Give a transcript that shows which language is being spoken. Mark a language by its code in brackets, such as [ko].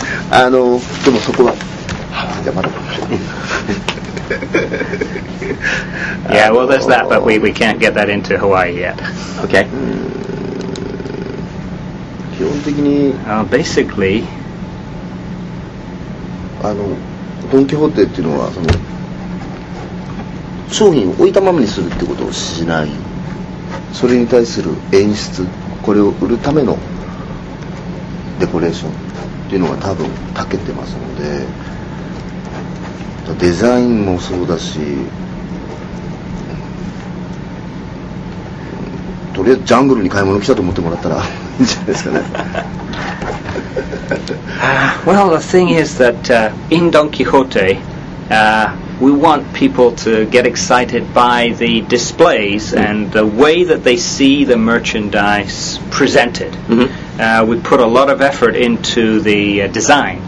[ja] あのでもそこはじゃあまだ。 [en] Yeah, well, there's that, but we can't get that into Hawaii yet. Okay. [ja] 基本的に、 [en] basically, [ja] あのドンキホーテっていうのはその商品を置いたままにするってことをしない。それに対する演出、これを売るためのデコレーションっていうのが多分長けてますので、デザインもそうだし、とりあえずジャングルに買い物来たと思ってもらったらいいんじゃないですかね。 [en] Well, the thing is that in Don Quixote, we want people to get excited by the displays and the way that they see the merchandise presented. Mm-hmm. We put a lot of effort into the design、